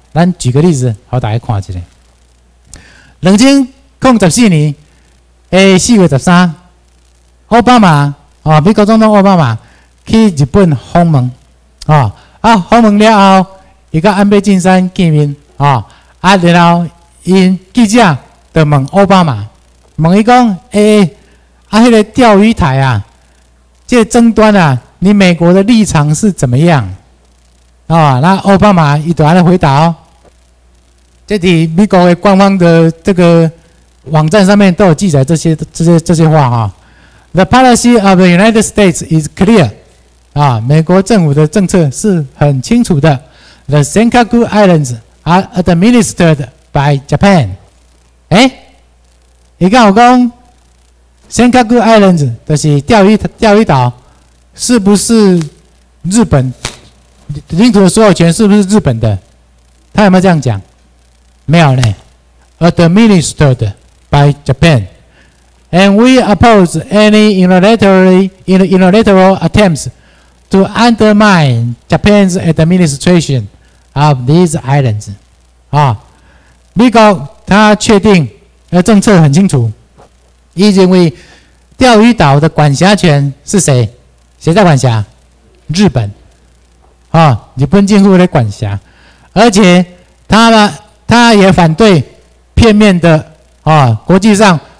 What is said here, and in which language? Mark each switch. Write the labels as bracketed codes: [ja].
[zh] 咱举个例子好大家看一下，2014年4月13日，奥巴马啊，美国总统奥巴马去日本访问啊，啊，访问了后，伊跟安倍晋三见面啊，啊，然后因记者就问奥巴马，问伊讲，迄个钓鱼台啊，这争端啊，你美国的立场是怎么样？啊，那奥巴马伊就安尼回答哦，这伫美国的官方的这个网站上面都有记载这些话哈。 [en] The policy of the United States is clear. [zh] 啊，美国政府的政策是很清楚的。 [en] The Senkaku Islands are administered by Japan. [zh] 哎，你看我讲 Senkaku Islands 就是钓鱼岛，是不是日本领土的所有权？是不是日本的？他有没有这样讲？没有呢。 [en] Administered by Japan. And we oppose any unilateral attempts to undermine Japan's administration of these islands. [zh] 啊，美国他确定的政策很清楚，伊认为钓鱼岛的管辖权是谁？谁在管辖？日本。啊，日本政府在管辖，而且他也反对片面的啊，国际上。